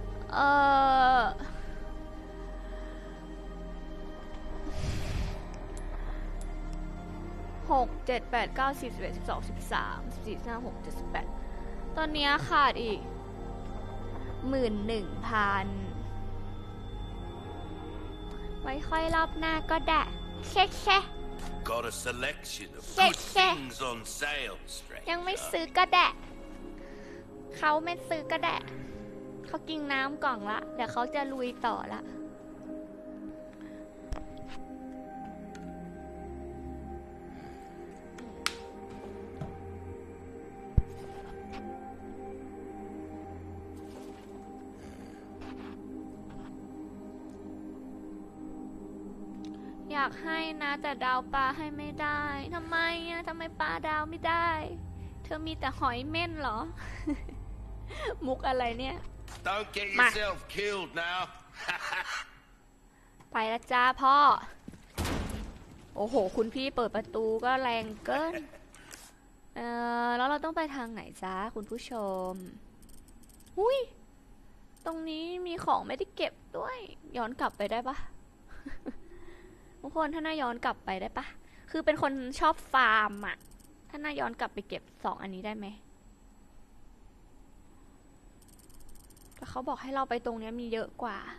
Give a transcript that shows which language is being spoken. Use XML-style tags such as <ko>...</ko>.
<th>6 7 8 9 10 11 12 13 14 15 16 17 18ตอนนี้ขาดอีก 11,000 ไว้ค่อยรอบหน้าก็ได้แค่ๆ</th> <en>Got a selection of good things on sale, stranger.</en> <th>ยังไม่ซื้อก็แดะเขาไม่ซื้อก็แดะเขากินน้ำก่อนละเดี๋ยวเขาจะลุยต่อละ อยากให้นะแต่ดาวปลาให้ไม่ได้ทำไมอ่ะทำไมปลาดาวไม่ได้เธอมีแต่หอยเม่นเหรอ มุกอะไรเนี่ย</th> <en>Don't get yourself killed now</en> <th>ไปละจ้าพ่อโอ้โหคุณพี่เปิดประตูก็แรงเกินแล้วเราต้องไปทางไหนจ้าคุณผู้ชมอุ้ยตรงนี้มีของไม่ได้เก็บด้วยย้อนกลับไปได้ปะ ทุกคนถ้าน่าย้อนกลับไปได้ปะคือเป็นคนชอบฟาร์มอ่ะถ้าน่าย้อนกลับไปเก็บ2อันนี้ได้มั้ยแต่เขาบอกให้เราไปตรงเนี้ยมีเยอะกว่า</th>